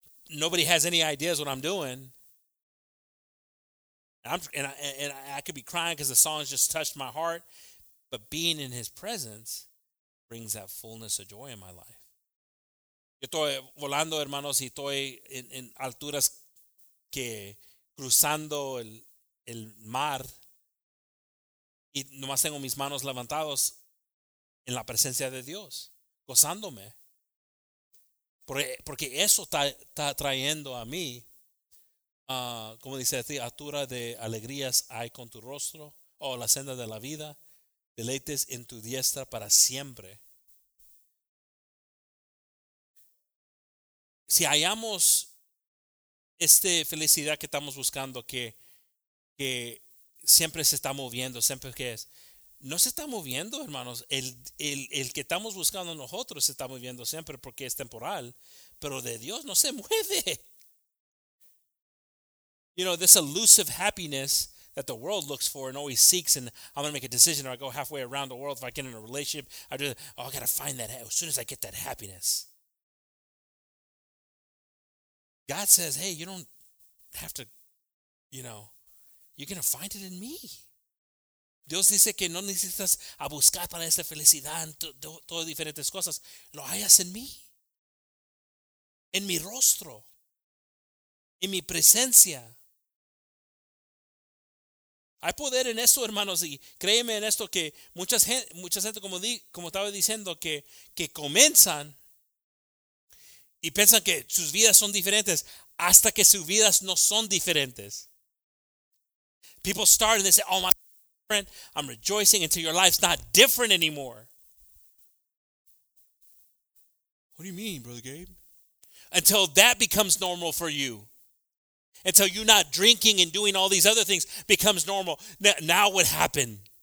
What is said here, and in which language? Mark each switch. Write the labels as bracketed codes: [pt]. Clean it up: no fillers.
[en] Nobody has any ideas what I'm doing. I could be crying because the song's just touched my heart, but being in his presence brings that fullness of joy in my life. [es] Yo estoy volando, hermanos, y estoy en alturas que cruzando el mar y nomás tengo mis manos levantados en la presencia de Dios, gozándome. Porque eso está trayendo a mí, como dice así, altura de alegrías hay con tu rostro, o la senda de la vida, deleites en tu diestra para siempre. Si hallamos esta felicidad que estamos buscando, que siempre se está moviendo, siempre que es, no se está moviendo, hermanos. El que estamos buscando nosotros se está moviendo siempre porque es temporal. Pero de Dios no se mueve. [en] You know, this elusive happiness that the world looks for and always seeks, and I'm going to make a decision, or I go halfway around the world if I get in a relationship, I do, oh, I got to find that as soon as I get that happiness. God says, hey, you don't have to, you know, you're going to find it in me. [es] Dios dice que no necesitas a buscar para esa felicidad en todas diferentes cosas. Lo hallas en mí. En mi rostro. En mi presencia. Hay poder en eso, hermanos. Y créeme en esto que mucha gente, como estaba diciendo, que comienzan y piensan que sus vidas son diferentes hasta que sus vidas no son diferentes. [en] People start and they say, oh my, I'm rejoicing until your life's not different anymore. What do you mean, Brother Gabe? Until that becomes normal for you. Until you not drinking and doing all these other things becomes normal. Now what happened?